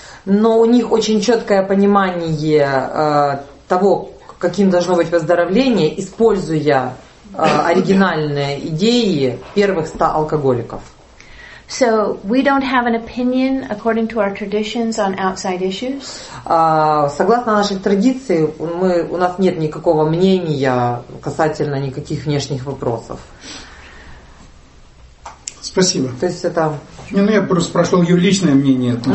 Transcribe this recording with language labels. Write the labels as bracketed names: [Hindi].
[Russian] Но у них очень четкое понимание того, каким должно быть выздоровление, используя оригинальные идеи первых 100 алкоголиков. [English] So we don't have an opinion according to our traditions on outside issues. [Russian] Согласно нашей традиции, мы, у нас нет никакого мнения касательно никаких внешних вопросов. Спасибо. То есть это... Не, ну я просто спрашивал ее личное мнение.